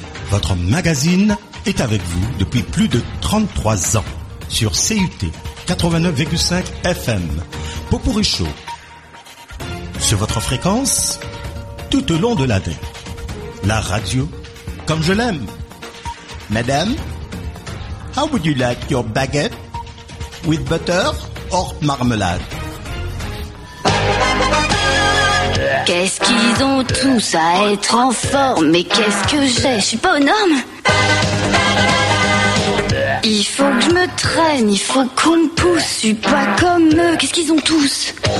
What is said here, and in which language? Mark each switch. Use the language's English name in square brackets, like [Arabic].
[French] Votre magazine est avec vous depuis plus de 33 ans. Sur CUT 89,5 FM, Potpourri Show, sur votre fréquence, tout au long de l'année, la radio, comme je l'aime. [English] Madame, how would you like your baguette, with butter or marmalade? [French] Qu'est-ce qu'ils ont tous à être en forme, mais qu'est-ce que j'ai, je suis pas un homme. Il faut que je me traîne, il faut qu'on me pousse. Je suis pas comme eux, qu'est-ce qu'ils ont tous?